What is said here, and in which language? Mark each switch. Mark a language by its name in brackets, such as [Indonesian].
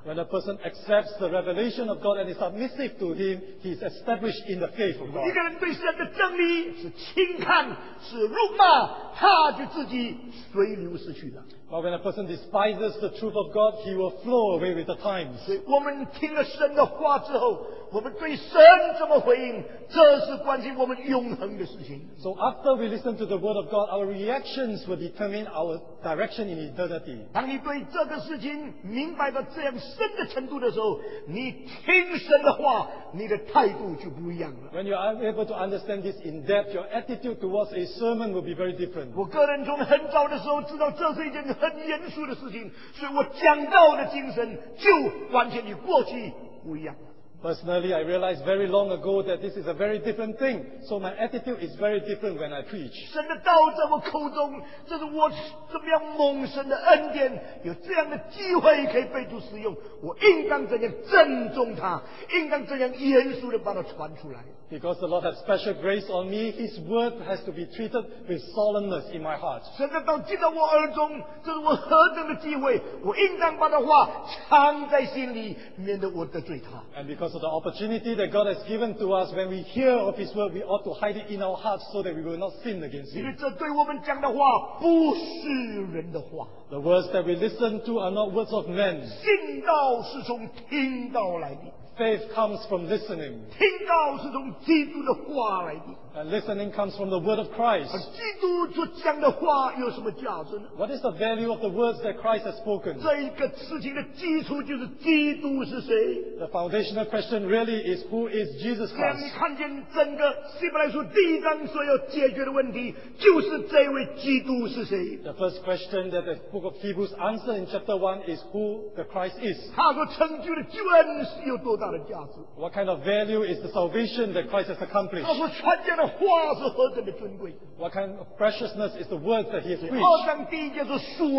[English] When a person accepts the revelation of God and is submissive to Him, he is established in the faith of God. [Chinese] 一个人对神的真理是轻看，是辱骂，他就自己随流失去了。 [English] But when a person despises the truth of God, he will flow away with the times. [Chinese] 所以我们听了神的话之后，我们对神怎么回应，这是关系我们永恒的事情。 [English] So after we listen to the word of God, our reactions will determine our direction in eternity. [Chinese] 当你对这个事情明白到这样深的程度的时候，你听神的话，你的态度就不一样了。 [English] When you are able to understand this in depth, your attitude towards a sermon will be very different. [Chinese] 我个人从很早的时候知道这是一件很严肃的事情，所以我讲道的精神就完全与过去不一样。 [English] Personally, I realized very long ago that this is a very different thing. So my attitude is very different when I preach. [Chinese] 神的道在我口中，这是我怎么样蒙神的恩典，有这样的机会可以被主使用，我应当怎样郑重它，应当怎样严肃地把它传出来。 [English] Because the Lord has special grace on me, His word has to be treated with solemnness in my heart. [Chinese] 神的道进到我耳中，这是我何等的机会，我应当把的话藏在心里，免得我得罪他。 [English] And because of the opportunity that God has given to us, when we hear of His word, we ought to hide it in our hearts so that we will not sin against Him. [Chinese] 因为这对我们讲的话不是人的话。 [English] The words that we listen to are not words of men. [Chinese] 信道是从听道来的。 [English] Faith comes from listening. [Chinese] 听道是从基督的话来的。 [English] And listening comes from the word of Christ. [Chinese] 而基督所讲的话有什么价值呢？ [English] What is the value of the words that Christ has spoken? [Chinese] 这一个事情的基础就是基督是谁？ [English] The foundational question really is who is Jesus Christ? [Chinese] 让你看见整个希伯来书第一章所要解决的问题，就是这位基督是谁？ [English] The first question that the book of Hebrews answer in chapter 1 is who the Christ is. [Chinese] 他所成就的救恩是有多大的价值？ [English] What kind of value is the salvation that Christ has accomplished? What kind of preciousness is the word that he has preached?